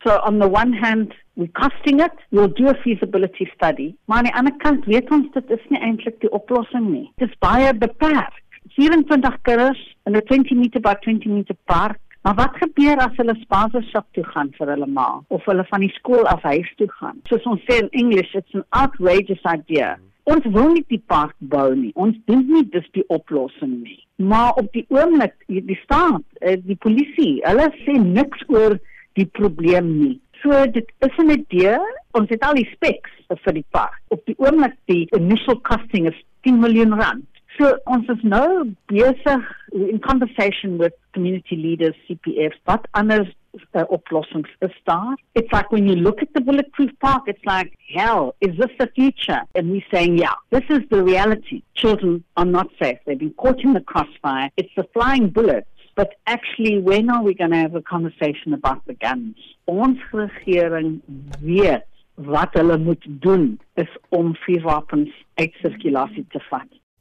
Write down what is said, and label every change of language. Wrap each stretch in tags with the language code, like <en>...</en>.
<en>So on the one hand, we're costing it, we'll do a feasibility study.</en> <af>Maar aan die ander kant, dit is nie eintlik die oplossing nie. Dit is baie beperk. 27 kinders in 'n 20 meter by 20 meter park. Maar wat gebeur as hulle spasershop toe gaan vir hulle ma of hulle van die skool af huis toe gaan? Soos ons sê in English,</af> <en>it's an outrageous idea.</en> <af>Ons wil nie die park bou nie. Ons dink nie dis die oplossing nie. Maar op die oomblik, die staat, die polisie, hulle sê niks oor die probleem nie. So dit is 'n idee. Ons het al die specs vir die park. Op die oomblik, die</af> <en>initial costing</en> <af>is 10 miljoen rand. So ons is nou besig</af> <en>in conversation with community leaders,</en> <af>CPF, wat anders oplossings is daar.</af> <en>It's like when you look at the bulletproof park, it's like, hell, is this the future? And we're saying, yeah, this is the reality. Children are not safe. They've been caught in the crossfire. It's the flying bullets. But actually, when are we going to have a conversation about the guns?</en> <af>Ons regering weet wat hulle moet doen is om vuurwapens uit circulatie te vat.</af>